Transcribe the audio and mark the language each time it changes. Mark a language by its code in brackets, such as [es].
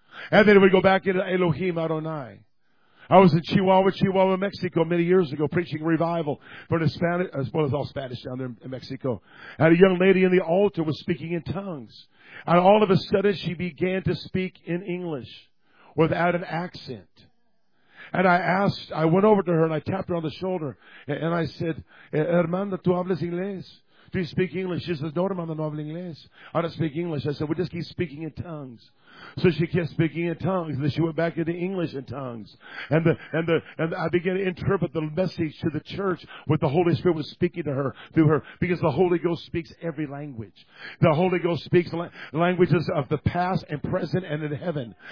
[en] And then it would go back into Elohim Adonai. I was in Chihuahua, Mexico many years ago, preaching revival for the Spanish, as well as all Spanish down there in Mexico. And a young lady in the altar was speaking in tongues. And all of a sudden, she began to speak in English without an accent. And I went over to her and I tapped her on the shoulder. And I said, [es] Hermana, tu hablas inglés? [en] Do you speak English? She says, [es] no, Hermana, no hablo inglés. [en] I don't speak English. I said, well, just keep speaking in tongues. So she kept speaking in tongues. And then she went back into English in tongues. And I began to interpret the message to the church, what the Holy Spirit was speaking to her through her. Because the Holy Ghost speaks every language. The Holy Ghost speaks languages of the past and present and in heaven.